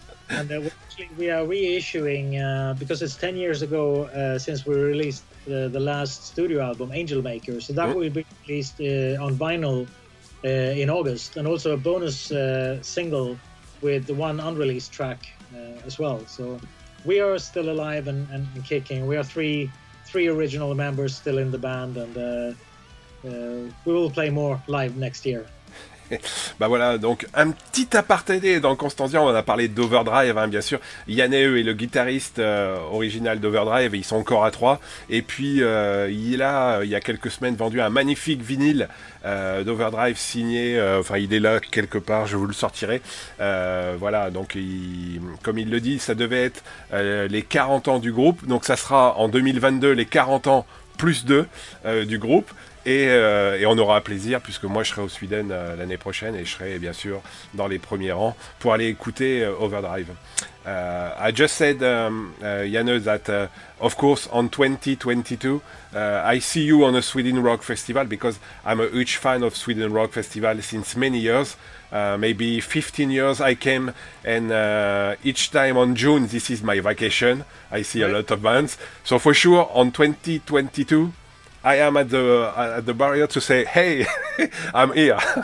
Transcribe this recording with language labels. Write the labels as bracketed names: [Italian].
[English] And we are reissuing, because it's 10 years ago since we released the last studio album, Angel Maker, so that will be released on vinyl in August, and also a bonus single with the one unreleased track as well. So we are still alive and kicking. We are three original members still in the band, and we will play more live next year. [French] Bah voilà, donc un petit aparté dans Constantia, on a parlé d'Overdrive, hein, bien sûr. Yanneu est le guitariste original d'Overdrive, ils sont encore à trois. Et puis il a quelques semaines vendu un magnifique vinyle d'Overdrive signé, il est là quelque part, je vous le sortirai. Voilà, donc comme il le dit, ça devait être les 40 ans du groupe, donc ça sera en 2022 les 40 ans plus 2 du groupe. Et on aura plaisir, puisque moi je serai au Sweden l'année prochaine et je serai bien sûr dans les premiers rangs pour aller écouter Overdrive. [English] I just said, Yanneu, that of course on 2022, I see you on a Sweden Rock Festival, because I'm a huge fan of Sweden Rock Festival since many years, maybe 15 years I came, and each time on June this is my vacation, I see a lot of bands, so for sure on 2022, I am at the barrier to say, hey, I'm here.